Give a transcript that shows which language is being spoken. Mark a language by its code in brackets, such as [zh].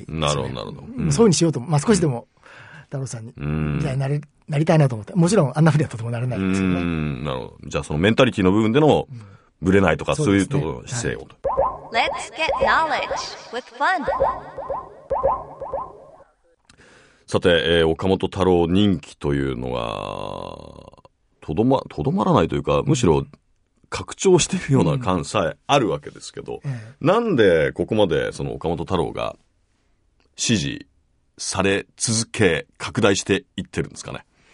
[ja] ですね。なるほど、なるほど。そういうふうにしようと、まあ少しでも、太郎さんに、じゃあなりたいなと思って、もちろんあんなふうにはとてもならないですけどね。なるほど。じゃあそのメンタリティの部分でのブレないとか、うん、そういうところの姿勢をと。 [en] Let's get knowledge with fun. [ja] さて、岡本太郎人気というのはとどまらないというか、むしろ拡張しているような感さえあるわけですけど、うんうん、なんでここまでその岡本太郎が支持され続け拡大していってるんですかね。